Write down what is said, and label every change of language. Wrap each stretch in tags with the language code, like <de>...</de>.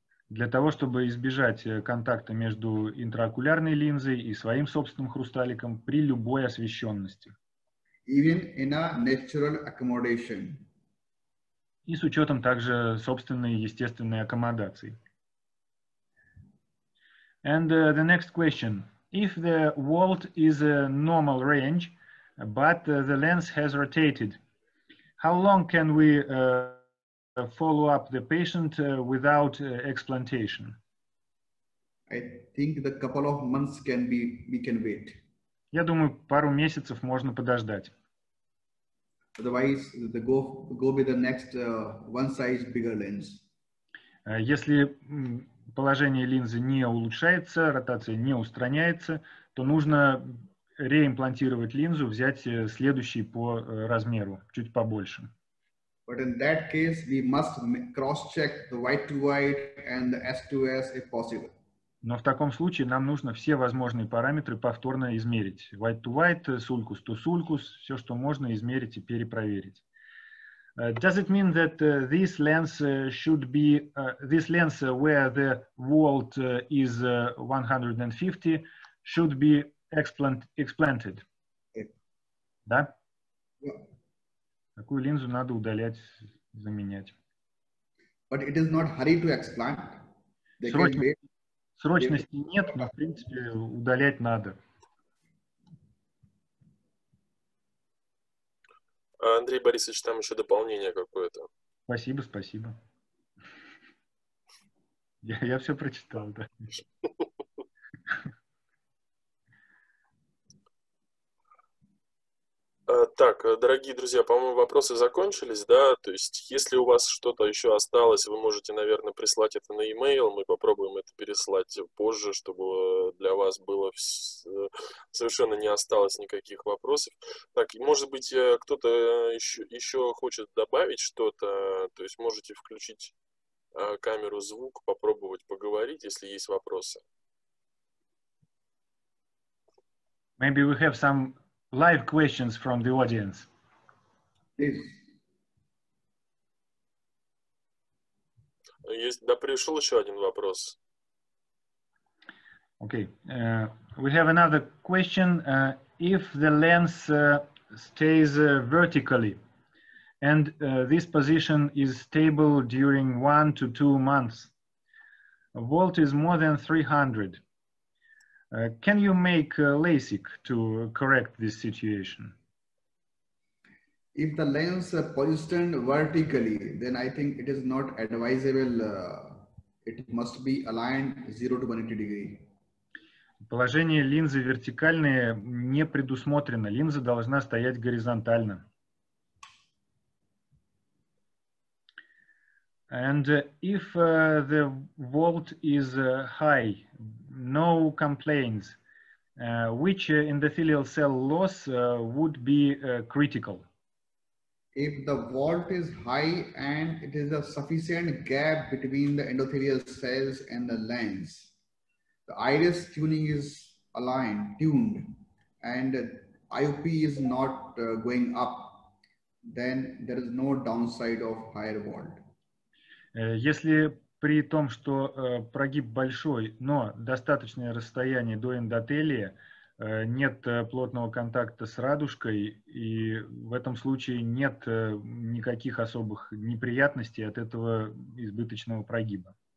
<ru>Для того, чтобы избежать контакта между интраокулярной линзой и своим собственным хрусталиком при любой освещенности.</ru> <en>Even in a natural accommodation.</en> <ru>И с учетом также собственной естественной аккомодации.</ru> <en>And the next question, if the volt is a normal range, but the lens has rotated, how long can we follow up the patient without explantation? I think the couple of months can be, we can wait.</en> <ru>Я думаю, пару месяцев можно подождать.</ru> <en>Otherwise, the go with the next one size bigger lens.</en> <ru>Если положение линзы не улучшается, ротация не устраняется, то нужно реимплантировать линзу, взять следующий по размеру, чуть побольше.</ru> <en>But in that case, we must cross-check the white-to-white and the S2S if possible.</en> <ru>Но в таком случае нам нужно все возможные параметры повторно измерить. White-to-white, sulcus-to-sulcus, все, что можно, измерить и перепроверить.</ru> <en>Does it mean that this lens should be this lens where the volt is 150 should be explanted? Yeah.</en> <ru>Да?</ru> <en>Yeah.</en> <ru>Такую линзу надо удалять, заменять.</ru> <en>But it is not hurry to explant.</en> <ru>Срочности нет, но в принципе удалять надо. Андрей Борисович, там еще дополнение какое-то. Спасибо, спасибо. Я все прочитал, да. Так, дорогие друзья, по-моему, вопросы закончились, да? То есть, если у вас что-то еще осталось, вы можете, наверное, прислать это на e-mail. Мы попробуем это переслать позже, чтобы для вас было совершенно не осталось никаких вопросов. Так, может быть, кто-то еще хочет добавить что-то? То есть, можете включить камеру, звук, попробовать поговорить, если есть вопросы.</ru> <en>Maybe we have some live questions from the audience. Please.</en> <ru>Есть, да, пришел еще один вопрос.</ru> <en>Okay. We have another question. If the lens stays vertically and this position is stable during 1 to 2 months, a volt is more than 300. Can you make LASIK to correct this situation? If the lens is positioned vertically, then I think it is not advisable. It must be aligned 0 to 180 degree.</en> <ru>Положение линзы вертикальное не предусмотрено. Линза должна стоять горизонтально.</ru> <en>And if the volt is high, no complaints, which endothelial cell loss would be critical? If the volt is high and it is a sufficient gap between the endothelial cells and the lens, the iris tuning is tuned and IOP is not going up, then there is no downside of higher volt.</en> <ru>Если при том, что прогиб большой, но достаточное расстояние до эндотелия, нет плотного контакта с радужкой, и в этом случае нет никаких особых неприятностей от этого избыточного прогиба.</ru>